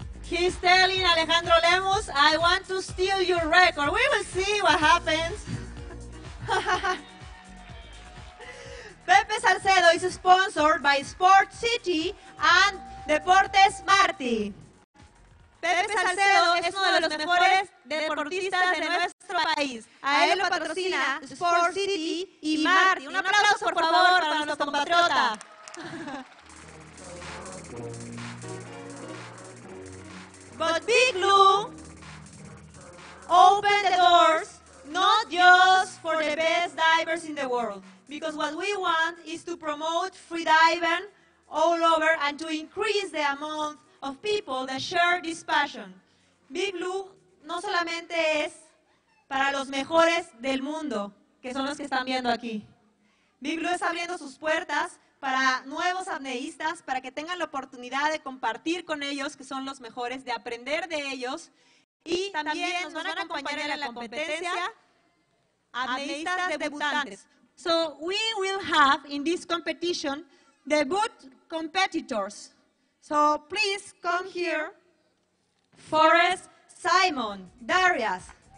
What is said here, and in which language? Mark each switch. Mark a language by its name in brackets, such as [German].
[English] He's telling Alejandro Lemus, I want to steal your record. We will see what happens. Pepe Salcedo is sponsored by Sport City and Deportes Marti. [Spanish] Pepe Salcedo es uno de los mejores deportistas de nuestro país. A él lo patrocina Sport City y Marti. Un aplauso, por favor, para nuestro compatriota. [English] But Big Blue opened the doors not just for the best divers in the world. Because what we want is to promote freediving all over and to increase the amount of people that share this passion. [Spanish] Big Blue no solamente es para los mejores del mundo, que son los que están viendo aquí. Big Blue está abriendo sus puertas para nuevos apneístas, para que tengan la oportunidad de compartir con ellos, que son los mejores, de aprender de ellos. Y también nos van a acompañar en la competencia apneístas debutantes. [English] So we will have in this competition debut competitors. So please come here, Forrest, Simon, Darius.